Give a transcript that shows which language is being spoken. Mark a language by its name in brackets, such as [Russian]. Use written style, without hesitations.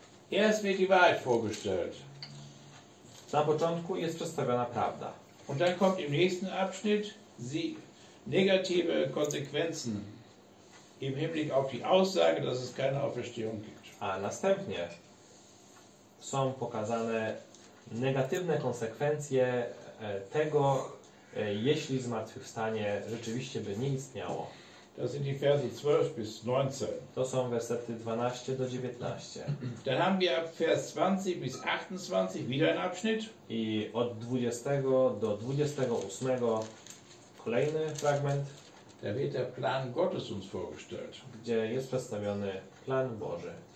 [German] Erst wird die Wahrheit vorgestellt. [Polish] Na początku jest przedstawiona prawda. [German] Und dann kommt im nächsten Abschnitt die negative Konsequenzen im Hinblick auf die Aussage, dass es keine Auferstehung gibt. [Polish] A następnie są pokazane negatywne konsekwencje tego, jeśli zmartwychwstanie rzeczywiście by nie istniało. [German] Das sind die Verse 12 bis 19. [Polish] To są wersety 12-19. [German] Dann haben wir ab Vers 20 bis 28 wieder ein Abschnitt. [Polish] I od 20-28 kolejny fragment. [German] Da wird der Plan Gottes uns vorgestellt. [Polish] Gdzie jest przedstawiony plan Boży.